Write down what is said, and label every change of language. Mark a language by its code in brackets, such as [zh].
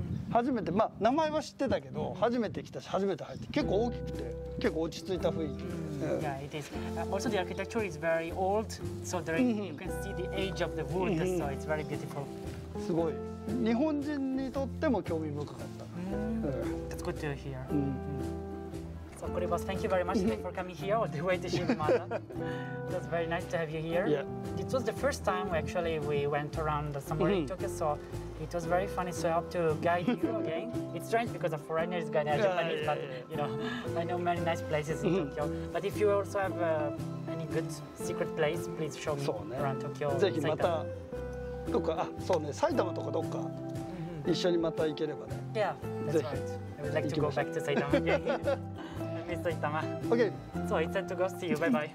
[ja] 初めて、まあ名前は知ってたけど、初めて来たし初めて入って、結構大きくて、結構落ち着いた雰囲気。 [en] Yeah, it is. Also, the architecture is very old, so there you can see the age of the wood, so it's very beautiful. [ja] すごい。日本人にとっても興味深かった。 [en] That's good to hear. So, Kuribos, thank you very much for coming here all the way to Shibamata. It was very nice to have you here. Yeah. It was the first time we went around somewhere in Tokyo, so it was very funny. So, I hope to guide you again. It's strange because a foreigner is guiding a Japanese, but I know many nice places in Tokyo. But if you also have any good secret place, please show me around Tokyo. [ja] ぜひまたどこか、あ、そうね、埼玉とかどっか一緒にまた行ければね。 [en] Yeah. That's right. I would like to go back to Saitama. I miss Saitama. Okay. So it's time to go. See you. Bye-bye.